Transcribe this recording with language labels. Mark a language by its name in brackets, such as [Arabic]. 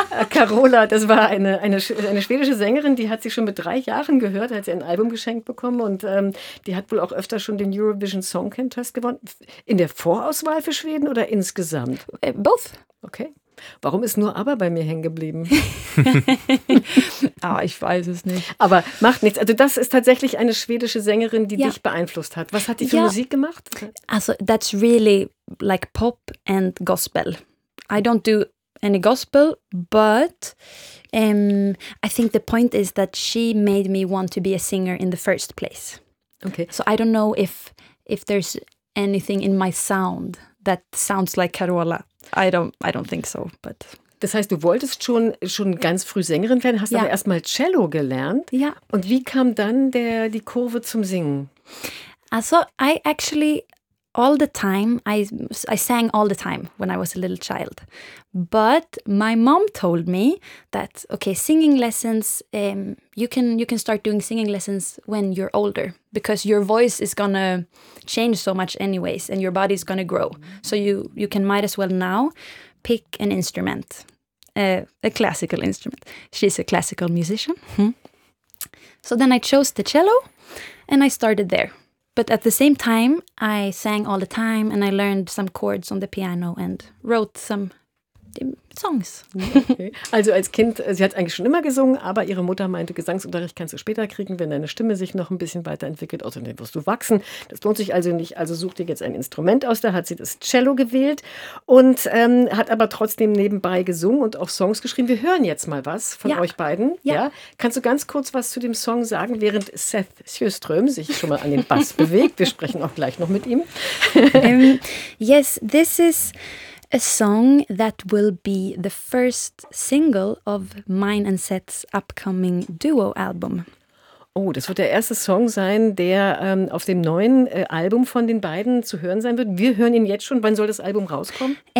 [German] Carola, das war eine schwedische Sängerin, die hat sich schon mit 3 Jahren gehört, hat sie ein Album geschenkt bekommen und die hat wohl auch öfter schon den Eurovision Song Contest gewonnen. In der Vorauswahl für Schweden oder insgesamt? [English] Both. Okay. [German] Warum ist nur ABBA bei mir hängen geblieben? Ah, ich weiß es nicht. Aber macht nichts. Also das ist tatsächlich eine schwedische Sängerin, die dich beeinflusst hat. Was hat die für Musik gemacht? [English] Also that's really like pop and gospel. I don't do any gospel, but I think the point is that she made me want to be a singer in the first place. Okay. So I don't know if there's anything in my sound that sounds like Carola. I don't think so, but... [German] Das heißt, du wolltest schon ganz früh Sängerin werden, hast aber erstmal Cello gelernt. Ja. Und wie kam dann die Kurve zum Singen? [English] Also, I sang all the time when I was a little child. But my mom told me that, okay, singing lessons, you can start doing singing lessons when you're older, because your voice is gonna change so much anyways and your body's gonna grow. So you can might as well now pick an instrument, a classical instrument. She's a classical musician. So then I chose the cello and I started there. But at the same time, I sang all the time and I learned some chords on the piano and wrote some songs. Okay. [German] Also als Kind, sie hat eigentlich schon immer gesungen, aber ihre Mutter meinte, Gesangsunterricht kannst du später kriegen, wenn deine Stimme sich noch ein bisschen weiterentwickelt. Außerdem wirst du wachsen. Das lohnt sich also nicht. Also such dir jetzt ein Instrument aus. Da hat sie das Cello gewählt und hat aber trotzdem nebenbei gesungen und auch Songs geschrieben. Wir hören jetzt mal was von euch beiden. Ja. Kannst du ganz kurz was zu dem Song sagen, während Seth Sjöström sich schon mal an den Bass bewegt? Wir sprechen auch gleich noch mit ihm. [English] Yes, this is... a song that will be the first single of mine and Seth's upcoming duo album. [German] Oh, das wird der erste Song sein, der auf dem neuen Album von den beiden zu hören sein wird. Wir hören ihn jetzt schon. Wann soll das Album rauskommen?